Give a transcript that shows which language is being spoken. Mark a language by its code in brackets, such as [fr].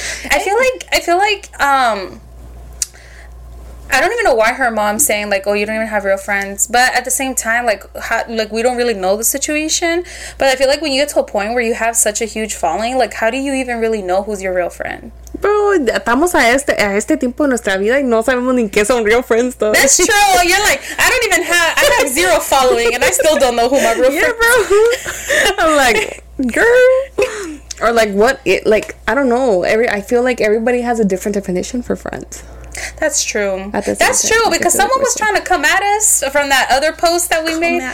[en] I feel like I don't even know why her mom's saying like, oh, you don't even have real friends. But at the same time, like, we don't really know the situation. But I feel like when you get to a point where you have such a huge following, like, how do you even really know who's your real friend? [es] Bro, estamos a este tiempo de nuestra vida y no sabemos ni qué son [en] real friends, though. That's true. You're like, I have zero following and I still don't know who my real friend is. Yeah, bro. I'm like, girl. Or like, what? It, like, I don't know. I feel like everybody has a different definition for friends. That's true. That's true because someone was trying to come at us from that other post that we made.